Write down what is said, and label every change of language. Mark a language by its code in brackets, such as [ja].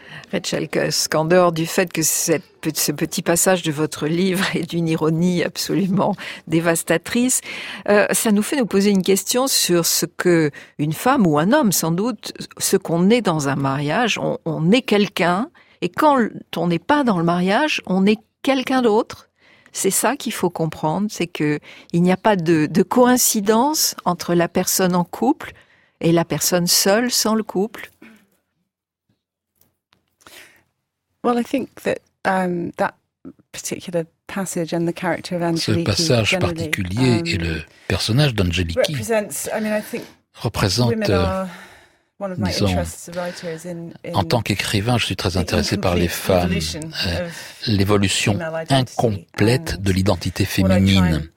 [fr] Rachel Kusk, en dehors du fait que ce petit passage de votre livre est d'une ironie absolument dévastatrice, ça nous fait nous poser une question sur ce que une femme ou un homme, sans doute, ce qu'on est dans un mariage, on est quelqu'un, et quand on n'est pas dans le mariage, on est quelqu'un d'autre. C'est ça qu'il faut comprendre, c'est que il n'y a pas de coïncidence entre la personne en couple et la personne seule sans le couple. [en] Well, I think that that particular passage and the character of Angeliki, [fr] ce passage particulier et le personnage d'Angeliki représente, disons, en tant qu'écrivain, je suis très intéressé par les femmes, l'évolution incomplète de l'identité féminine.